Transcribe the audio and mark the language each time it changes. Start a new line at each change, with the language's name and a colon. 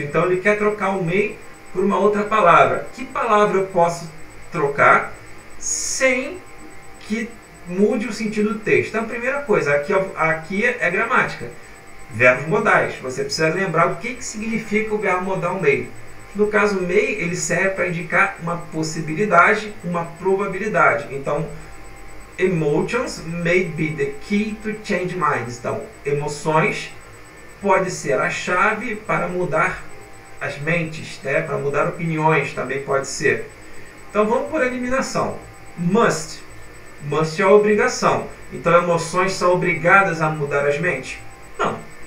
Portuguese: Então, ele quer trocar o may por uma outra palavra. Que palavra eu posso trocar sem que mude o sentido do texto? Então, a primeira coisa, aqui é gramática. Verbos modais. Você precisa lembrar o que que significa o verbo modal may. No caso, may, ele serve para indicar uma possibilidade, uma probabilidade.
English: Então, emotions may be the key to change minds.
Portuguese: Então, emoções pode ser a chave para mudar as mentes, né? Para mudar opiniões também pode ser. Então, vamos por eliminação. Must. Must é a obrigação. Então, emoções são obrigadas a mudar as mentes? Não.